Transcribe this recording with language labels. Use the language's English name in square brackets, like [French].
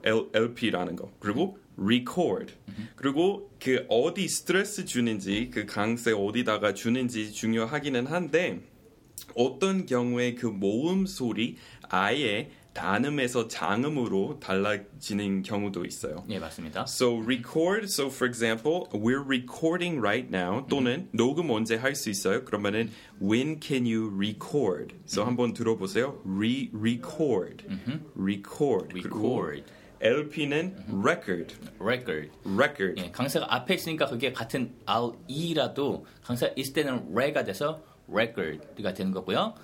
[Korean] LP라는 거. 그리고 record. 그리고 그 어디 스트레스 주는지, 그 강세 어디다가 주는지 중요하기는 한데 어떤 경우에 그 모음 소리 아예 단음에서 장음으로 달라지는 경우도 있어요. 네, 맞습니다. [English] So record, so for example, we're recording right now. [Korean] 또는 녹음 언제 할 수 있어요? 그러면은 [English] when can you record? So [Korean] 한번 들어보세요. [English] Record. Record. Record. [Korean] LP는 record. [English] Record. Record. [Korean] 예, 강세가 앞에 있으니까 그게 같은 RE라도 강세가 있을 때는 RE가 돼서 record가 되는 거고요.